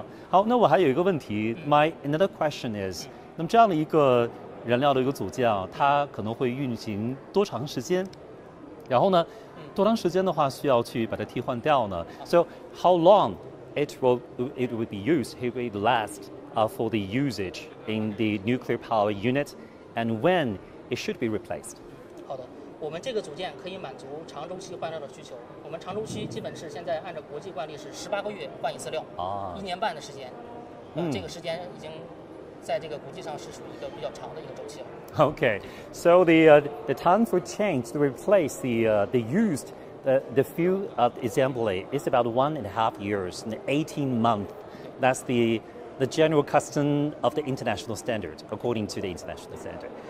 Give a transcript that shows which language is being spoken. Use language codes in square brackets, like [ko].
[zh] 好，那我还有一个问题。 [en] My another question is, [zh] 那么这样的一个燃料的一个组件啊，它可能会运行多长时间？然后呢，多长时间的话需要去把它替换掉呢 ？ [en] So how long it will be used? It will last for the usage in the nuclear power unit, and when? It should be replaced. [zh] 好的，我们这个组件可以满足长周期换料的需求。我们长周期基本是现在按照国际惯例是18个月换一次料，一年半的时间。这个时间已经在这个国际上是属于一个比较长的一个周期了。 [en] Okay, so the time for change to replace the used, the fuel assembly is about 1.5 years, 18 months. That's the general custom of the international standard, according to the international standard.